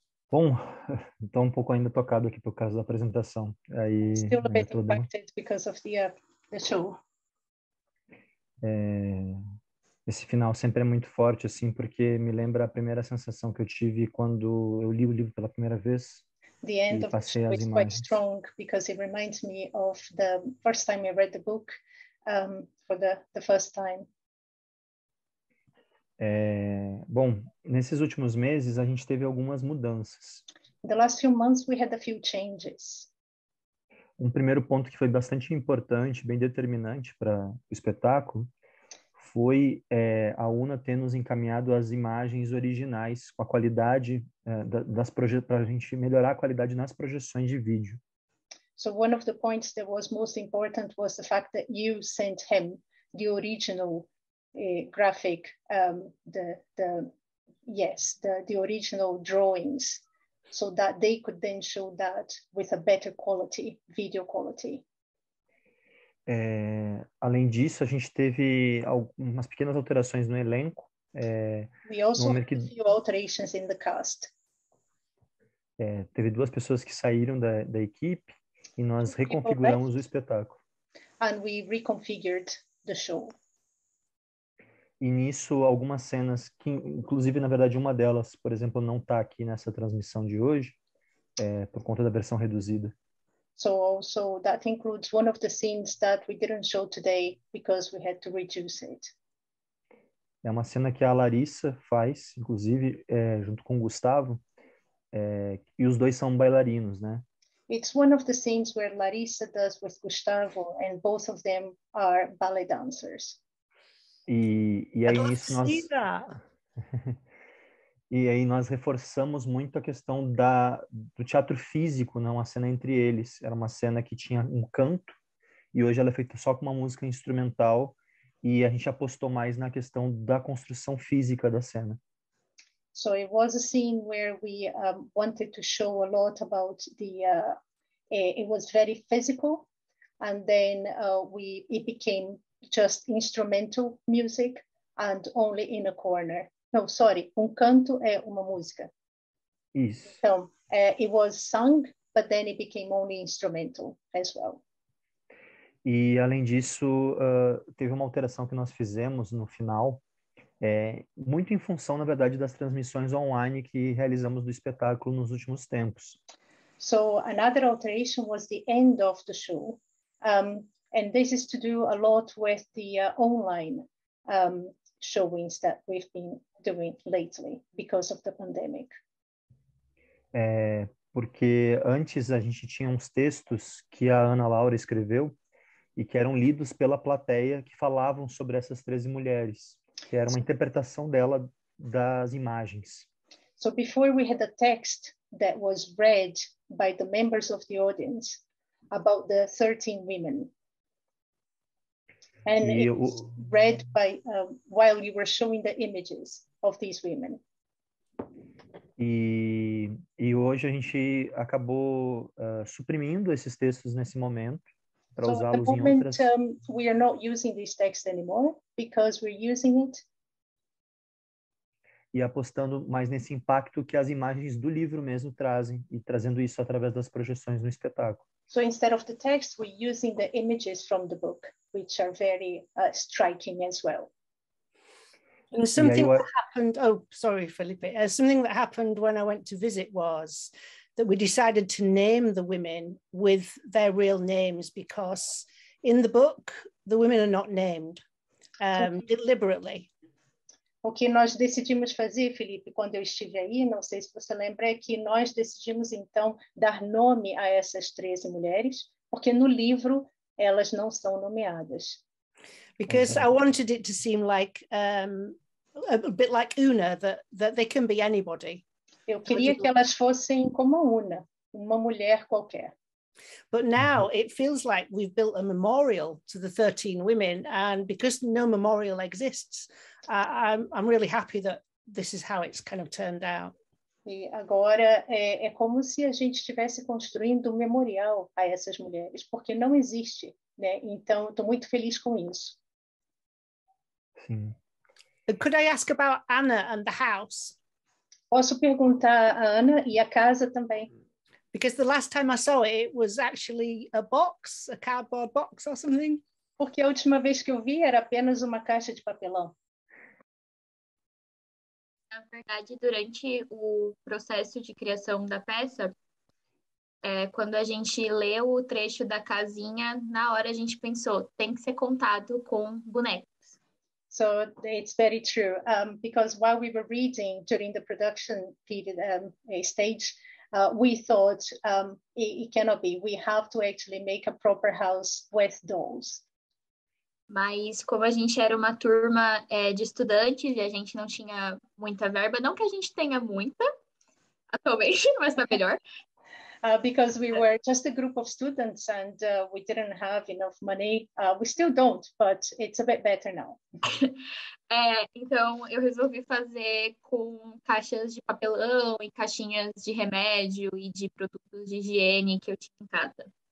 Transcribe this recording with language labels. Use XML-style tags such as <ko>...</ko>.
<pt>Bom, estou um pouco ainda tocado aqui por causa da apresentação. Aí,</pt> <en>still a bit impacted because of the show.</en> <pt>Esse final sempre é muito forte, assim, porque me lembra a primeira sensação que eu tive quando eu li o livro pela primeira vez.</pt> <en>The end of the show is quite strong because it reminds me of the first time I read the book for the first time.</en> <pt>Bom, nesses últimos meses a gente teve algumas mudanças.</pt> <en>In the last few months we had a few changes.</en> <pt>Um primeiro ponto que foi bastante importante, bem determinante para o espetáculo, foi a Una ter nos encaminhado as imagens originais com a qualidade das projeções, para a gente melhorar a qualidade nas projeções de vídeo.</pt> <en>So one of the points that was most important was the fact that you sent him the original graphic, the original drawings, so that they could then show that with a better quality, video quality.</en> <pt>Além disso, a gente teve algumas pequenas alterações no elenco.</pt> <en>We also had a few alterations in the cast.</en> <pt>Teve duas pessoas que saíram da equipe e nós reconfiguramos o espetáculo.</pt> <en>And we reconfigured the show.</en> <pt>E nisso, algumas cenas, que inclusive, na verdade, uma delas, por exemplo, não está aqui nessa transmissão de hoje, por conta da versão reduzida.</pt> <en>So also that includes one of the scenes that we didn't show today because we had to reduce it.</en> <pt>É uma cena que a Larissa faz, inclusive, junto com o Gustavo, e os dois são bailarinos, né?</pt> <en>It's one of the scenes where Larissa does with Gustavo and both of them are ballet dancers.</en> <pt>E aí nisso nós... E aí nós reforçamos muito a questão do teatro físico, né? Uma cena entre eles. Era uma cena que tinha um canto e hoje ela é feita só com uma música instrumental e a gente apostou mais na questão da construção física da cena.</pt> <en>So it was a scene where we wanted to show a lot about the... it was very physical and then it became just instrumental music and only in a corner.</en> <pt>Não,</pt> <en>sorry,</en> <pt>canto é uma música. Isso. Então,</pt> <en>it was sung, but then it became only instrumental as well.</en> <pt>E além disso, teve uma alteração que nós fizemos no final, muito em função, na verdade, das transmissões online que realizamos do espetáculo nos últimos tempos.</pt> <en>So, another alteration was the end of the show. And this is to do a lot with the online showings that we've been doing lately because of the pandemic.</en> <pt>Porque antes a gente tinha uns textos que a Ana Laura escreveu e que eram lidos pela plateia que falavam sobre essas 13 mulheres, que era uma interpretação dela das imagens.</pt> <en>So before we had a text that was read by the members of the audience about the 13 women. And it was read by while you were showing the images of these women.</en> <pt>E hoje a gente acabou suprimindo esses textos nesse momento para usá-los em outras.</pt> <en>We are not using these texts anymore because we're using it.</en> <pt>E apostando mais nesse impacto que as imagens do livro mesmo trazem e trazendo isso através das projeções no espetáculo.</pt> <en>So instead of the text, we're using the images from the book, which are very striking as well. And something that happened, oh, sorry, Felipe, something that happened when I went to visit was that we decided to name the women with their real names because in the book, the women are not named deliberately.</en> <pt>O que nós decidimos fazer, Felipe, quando eu estive aí, não sei se você lembra, é que nós decidimos, então, dar nome a essas 13 mulheres, porque no livro elas não são nomeadas.</pt> <en>Because I wanted it to seem like a bit like Una, that they can be anybody.</en> <pt>Eu queria que elas fossem como Una, uma mulher qualquer.</pt> <en>But now it feels like we've built a memorial to the 13 women, and because no memorial exists, I'm really happy that this is how it's kind of turned out.</en> <pt>E agora é como se a gente estivesse construindo um memorial a essas mulheres, porque não existe, né? Então, estou muito feliz com isso. Sim.</pt> <en>Could I ask about Anna and the house?</en> <pt>Posso perguntar a Anna e a casa também.</pt> <en>Because the last time I saw it, it was actually a box, a cardboard box or something.</en> <pt>Porque a última vez que eu vi era apenas uma caixa de papelão. Na verdade, durante o processo de criação da peça, quando a gente leu o trecho da casinha, na hora a gente pensou, tem que ser contado com boneco.</pt> <en>So it's very true, because while we were reading during the production period, stage, we thought it cannot be. We have to actually make a proper house with dolls.</en> <pt>Mas como a gente era uma turma de estudantes e a gente não tinha muita verba, não que a gente tenha muita atualmente, mas tá melhor.</pt> <en>Because we were just a group of students and we didn't have enough money. We still don't, but it's a bit better now.</en> <pt>Então, eu resolvi fazer com caixas de papelão e caixinhas de remédio e de produtos de higiene que eu tinha em casa.</pt>